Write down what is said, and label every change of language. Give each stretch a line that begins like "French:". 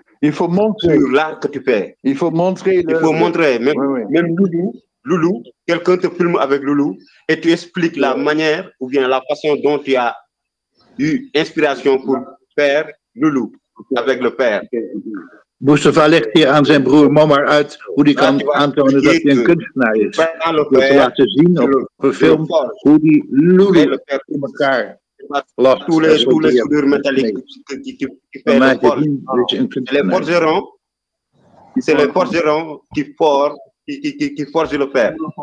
French: il faut montrer. Sur l'art que tu fais. Il faut montrer. Il faut montrer. Même, oui, oui. même Loulou. Loulou, quelqu'un te filme avec Loulou et tu expliques oui. la manière ou bien la façon dont tu as eu inspiration pour faire Loulou avec le père.
Dutch: Moustapha legt hier aan zijn broer Momar uit hoe hij kan aantonen dat hij een kunstenaar is. Door te laten zien op een film hoe die Loulou in elkaar lost.
French: Tous les soudeurs métalliques qui font le père. C'est les forgerons qui forgent le père.